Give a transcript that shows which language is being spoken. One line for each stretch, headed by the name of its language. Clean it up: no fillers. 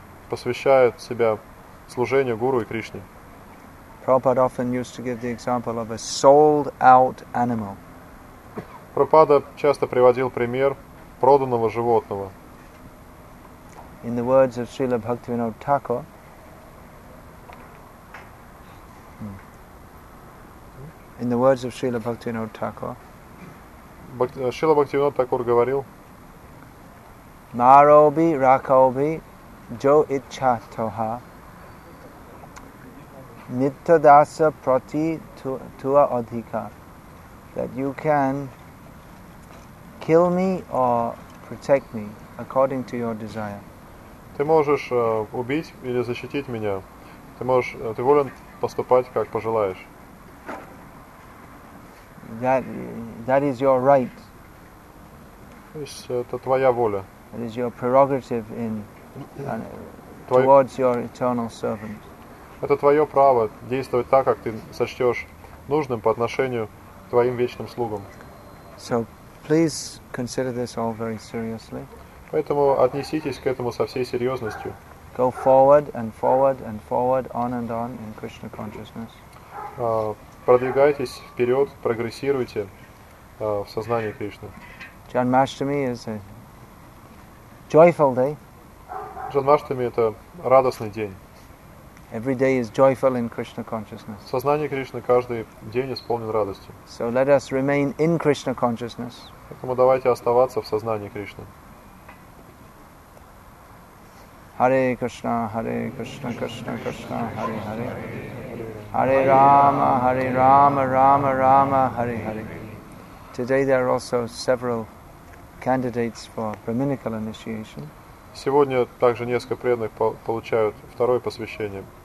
Russian: Посвящает себя служению Гуру и Кришне.
English: Prabhupada often used to give the example of a sold out animal.
Russian: Prabhupada часто приводил пример проданного животного.
English: In the words of Srila Bhaktivinoda Thakur, in the words of Srila Bhaktivinoda Thakur,
Russian: Srila Bhaktivinoda Thakur говорил,
Bangla: Marobi rakobi jo iccha toha nitta dasa prati tua adhika,
English: that you can kill me or protect me according to your desire.
Russian: Ты можешь убить или защитить меня. Ты можешь, ты волен поступать, как пожелаешь.
English: That is your right.
Russian: То есть это твоя воля.
English: It is your prerogative in towards your eternal servant.
Russian: Это твое право действовать так, как ты сочтешь нужным по отношению к твоим вечным слугам.
English: So please consider this all very seriously.
Russian: Поэтому отнеситесь к этому со всей серьезностью.
English: Go forward and forward and forward on and on in Krishna consciousness.
Russian: Продвигайтесь вперед, прогрессируйте в сознании Кришны.
English: Janmashtami is a joyful day.
Russian: Janmashtami — это радостный день.
English: Every day is joyful in Krishna consciousness.
Russian: Сознание Кришны каждый день исполнен радости.
English: So let us remain in Krishna consciousness.
Russian: Поэтому давайте оставаться в сознании Кришны.
Sanskrit: Hare Krishna, Hare Krishna, Krishna Krishna, Hare Hare. Hare Rama, Hare Rama, Rama Rama, Hare Hare.
English: Today there are also several candidates for brahminical initiation.
Russian: Сегодня также несколько преданных получают второе посвящение.